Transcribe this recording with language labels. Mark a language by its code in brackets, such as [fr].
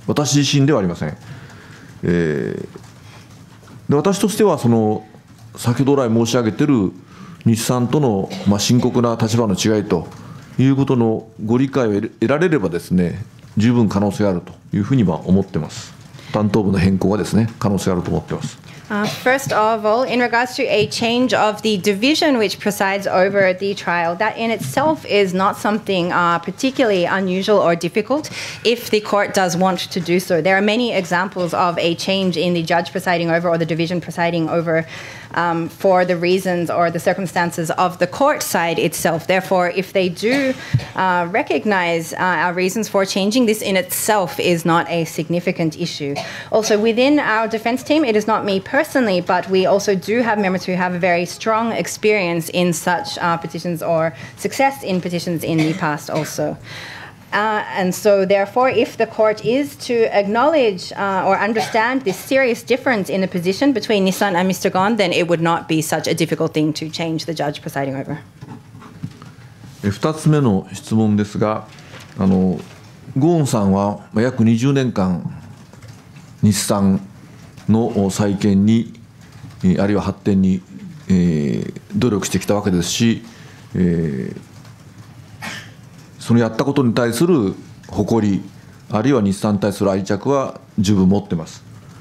[ja] 私自身ではありません。で私としてはその先ほど来申し上げている日産との深刻な立場の違いということのご理解を得られればですね、十分可能性があるというふうには思ってます。担当部の変更はですね、可能性があると思ってます。 [en] First of all, in regards to a change of the division which presides over the trial, that in itself is not something particularly unusual or difficult if the court does want to do so. There are many examples of a change in the judge presiding over or the division presiding over for the reasons or the circumstances of the court side itself. Therefore, if they do recognize our reasons for changing, this in itself is not a significant issue. Also, within our defense team, it is not me personally, but we also do have members who have a very strong experience in such petitions or success in petitions in the past also. And so, therefore, if the court is to acknowledge or understand this serious difference in the position between Nissan and Mr. Ghosn, then it would not be such a difficult thing to change the judge presiding over. [ja] 2つ目の質問ですが、ゴーンさんは約20年間、日産の再建に、あるいは発展に、努力してきたわけですし、そのやったことに対する誇り、あるいは日産に対する愛着は十分持ってます。